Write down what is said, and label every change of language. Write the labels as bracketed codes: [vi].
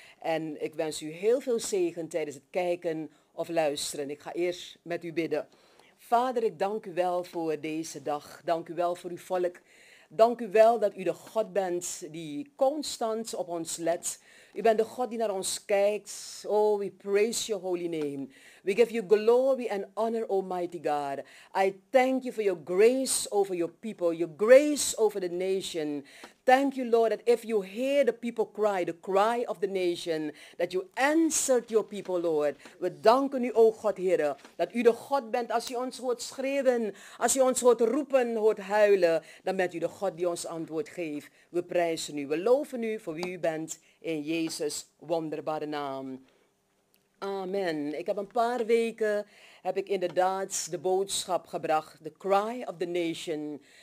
[nl] En ik wens u heel veel zegen tijdens het kijken of luisteren. Ik ga eerst met u bidden. Vader, ik dank u wel voor deze dag. Dank u wel voor uw volk. Dank u wel dat u de God bent die constant op ons let. U bent de God die naar ons kijkt. [en] Oh, we praise your holy name. We give you glory and honor, almighty God. I thank you for your grace over your people, your grace over the nation. Thank you, Lord, that if you hear the people cry, the cry of the nation, that you answered your people, Lord. [nl] We danken u, o God, Heere, dat u de God bent. Als u ons hoort schreeuwen, als u ons hoort roepen, hoort huilen, dan bent u de God die ons antwoord geeft. We prijzen u, we loven u voor wie u bent, in Jezus' wonderbare naam. Amen. Ik heb een paar weken, heb ik inderdaad de boodschap gebracht, [en] the cry of the nation.